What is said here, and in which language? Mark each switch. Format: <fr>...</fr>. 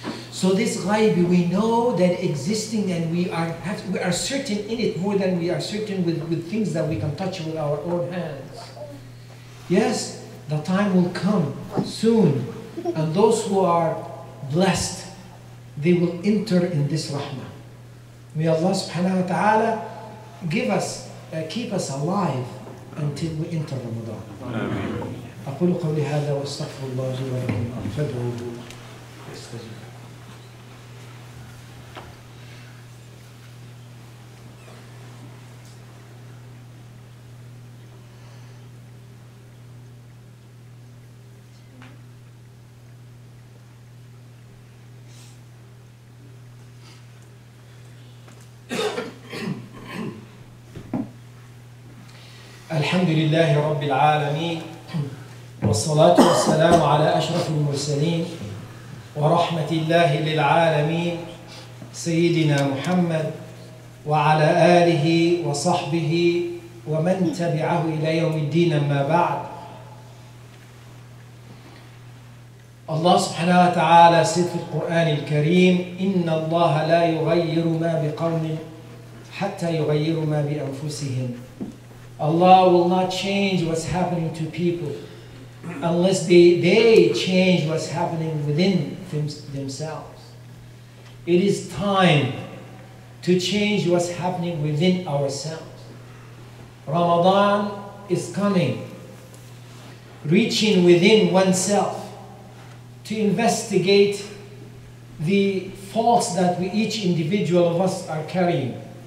<en>So this ghaib, we know that existing, and we are certain in it more than we are certain with things that we can touch with our own hands. Yes? The time will come soon, and those who are blessed, they will enter in this rahmah. May Allah subhanahu wa ta'ala give us, keep us alive until we enter Ramadan.</en> <ar>أقول قولي هذا واستغفر الله جل وعلا فادعوه استجب. الحمد لله رب العالمين والصلاة والسلام على أشرف المرسلين ورحمة الله للعالمين سيدنا محمد وعلى آله وصحبه ومن تبعه إلى يوم الدين أما بعد. الله سبحانه وتعالى سيد في القرآن الكريم إن الله لا يغير ما بقوم حتى يغير ما بأنفسهم.</ar> <en>Allah will not change what's happening to people unless they change what's happening within themselves. It is time to change what's happening within ourselves. Ramadan is coming. Reaching within oneself to investigate the faults that we each individual of us are carrying.</en>